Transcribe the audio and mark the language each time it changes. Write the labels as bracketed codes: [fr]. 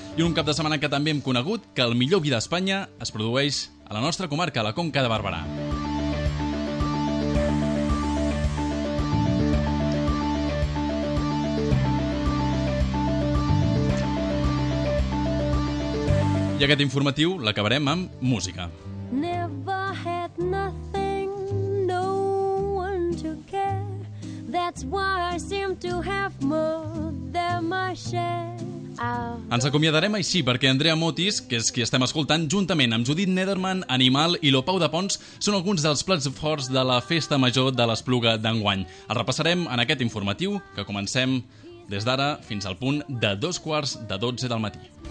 [ca] I un cap de setmana que també hem conegut que el millor vi d'Espanya es produeix a la nostra comarca, a la Conca de Barberà. I aquest informatiu l'acabarem amb música. [en] Never had nothing, no one to care. That's why I seem to have more than my share. [ca] Ens acomiadarem així perquè Andrea Motis, que és qui estem escoltant, juntament amb Judit Nederman, Animal i Lopau de Pons, són alguns dels plats forts de la Festa Major de l'Espluga d'enguany. El repassarem en aquest informatiu que comencem des d'ara fins al punt de 11:45 del matí.